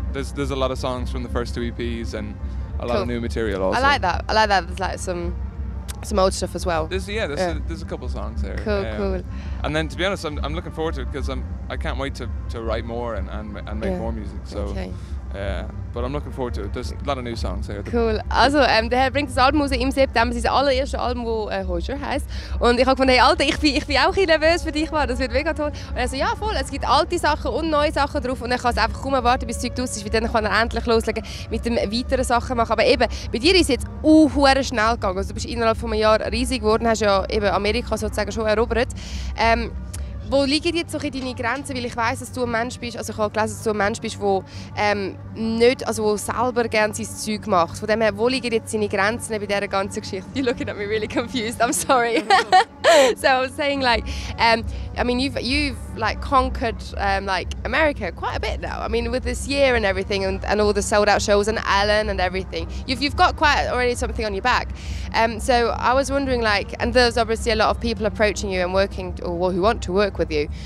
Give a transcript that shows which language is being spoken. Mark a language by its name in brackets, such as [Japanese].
[English] There's a lot of songs from the first two EPs and a lot of new material also. I like that. There's some old stuff as well. There's a couple of songs there. Cool. And then to be honest, I'm looking forward to it because I can't wait to write more and make more music. So. Okay. But I'm looking forward to it. There's a lot of new songs here. Cool. [German] Also, der bringt das Album raus im September. Sein allererstes Album, das Hoosier heisst. Und ich habe gefunden, hey Alter, ich bin auch ein bisschen nervös für dich. Das wird mega toll. Und er so, ja voll, es gibt alte Sachen und neue Sachen drauf. Und ich kann es einfach kaum erwarten, bis das Zeug draus ist. Weil dann kann er endlich loslegen mit den weiteren Sachen machen. Aber eben, bei dir ist es jetzt sehr schnell gegangen. Also, du bist innerhalb von einem Jahr riesig geworden. Hast ja eben Amerika sozusagen schon erobert. Wo liegen jetzt so deine Grenzen? Weil ich weiss, dass du ein Mensch bist, also ich habe gelesen, dass du ein Mensch bist, der selber gerne sein Zeug macht. Von dem her, wo liegen jetzt deine Grenzen bei dieser ganzen Geschichte? [English] You're looking at me really confused, I'm sorry. So I was saying you've conquered America quite a bit now. I mean, with this year and everything and all the sold out shows and Ellen and everything, you've got quite already something on your back. So I was wondering and there's obviously a lot of people approaching you and working who want to work with you.